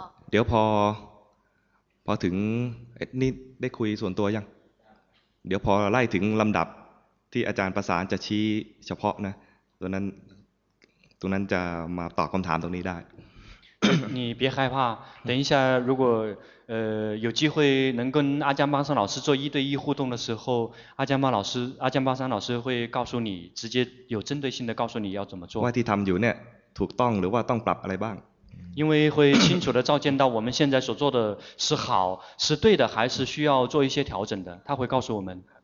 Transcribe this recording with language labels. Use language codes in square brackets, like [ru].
[th] เดี๋ยวพอถึงนี่ได้คุยส่วนตัวยังเดี๋ยวพอไล่ถึงลำดับที่อาจารย์ประสานจะชี้เฉพาะนะตรงนั้นจะมาตอบคำถามตรงนี้ได้ [zh] 你别害怕，等一下，如果有机会能跟阿江巴山老师做一对一互动的时候，阿江巴山老师会告诉你，直接有针对性的告诉你要怎么做。 [th] ว่าที่ทำอยู่เนี่ยถูกต้องหรือว่าต้องปรับอะไรบ้าง？ [zh] 因为会清楚地照见到我们现在所做的是好是对的还是需要做一些调整的，他会告诉我们。